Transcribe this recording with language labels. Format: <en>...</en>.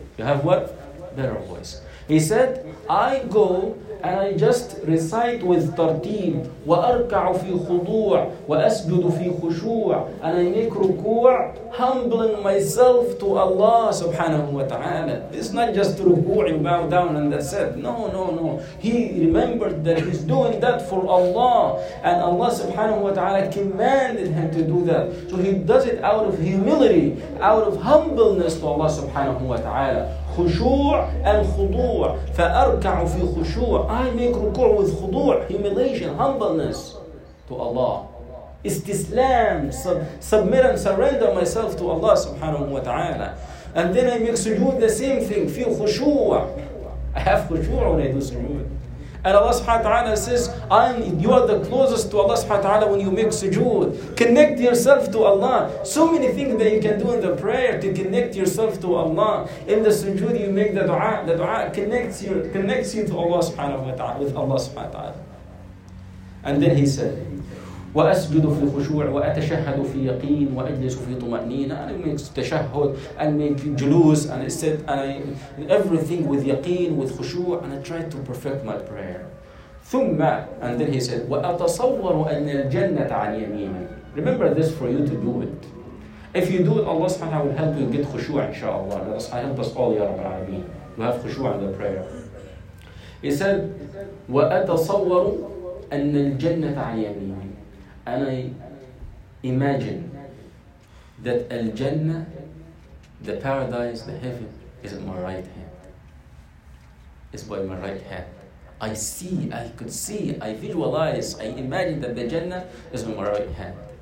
<en>You have what? Better voice. He said, I go and I just recite with tartib,</en> <ar>wa arka'u fi khudu', wa asjudu fi khushu',</ar> <en>and I make ruku', humbling myself to Allah subhanahu wa ta'ala. It's not just ruku', you bow down and that's it. No, no, no. He remembered that he's doing that for Allah, and Allah subhanahu wa ta'ala commanded him to do that. So he does it out of humility, out of humbleness to Allah subhanahu wa ta'ala.</en> <ar>خشوع الخضوع فأركع في خشوع.</ar> <en>I make ركوع with خضوع, humiliation, humbleness to Allah. استسلام, submit and surrender myself to Allah سبحانه وتعالى. And then I make sujood the same thing,</en> <ar>في خشوع.</ar> <en>I have خشوع when I do sujood. And Allah سبحانه وتعالى says, you are the closest to Allah سبحانه وتعالى when you make sujood. Connect yourself to Allah. So many things that you can do in the prayer to connect yourself to Allah. In the sujood, you make the dua. The dua connects you to Allah سبحانه وتعالى, with Allah سبحانه وتعالى. And then he said,</en> <ar>وَأَسْجُدُ فِي خُشُوعٍ وَأَتَشَهَّدُ فِي يَقِينٍ وَأَجْلِسُ فِي طُمَأْنِينَ.</ar> <en>And I make tashahhud, and make julus, and I said, and I, everything with yaqeen, with khushu', and I tried to perfect my prayer.</en> <ar>ثُمَّ,</ar> <en>and then he said,</en> <ar>وَأَتَصَوَّرُ أَنَّ الْجَنَّةَ عَنْ يَمِينِ.</ar> <en>Remember this for you to do it. If you do it, Allah subhanahu will help you get khushu', inshaAllah. Allah subhanahu help us all, ya Rabbi Alameen. We have khushu' in the prayer. He said,</en> <ar>وَأَتَصَوَّرُ أَنَّ الْجَنَّةَ عَنْ يَمِينِ.</ar> <en>And I imagine that al-Jannah, the paradise, the heaven, is at my right hand. It's by my right hand. I see, I could see, I visualize, I imagine that the Jannah is on my right hand.</en>